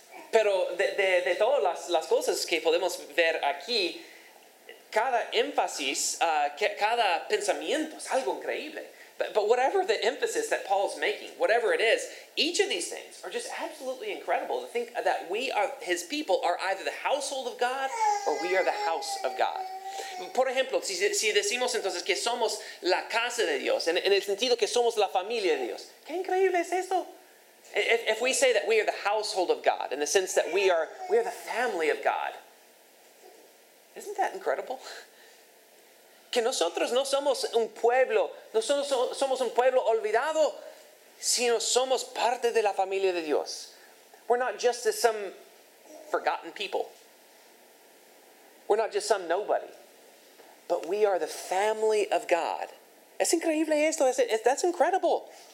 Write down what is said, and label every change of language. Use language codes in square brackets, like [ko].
[es] Pero de todas las cosas que podemos ver aquí, cada énfasis, cada pensamiento es algo increíble. [en] But whatever the emphasis that Paul's making, whatever it is, each of these things are just absolutely incredible to think that we are, his people, are either the household of God or we are the house of God. [es] Por ejemplo, si decimos entonces que somos la casa de Dios, en el sentido que somos la familia de Dios, ¿qué increíble es esto? [en] If we say that we are the household of God, in the sense that we are the family of God, isn't that incredible? [es] Que nosotros no somos un pueblo, nosotros somos un pueblo olvidado, sino somos parte de la familia de Dios. [en] We're not just some forgotten people. We're not just some nobody. But we are the family of God. [es] Es increíble esto, [en] that's incredible.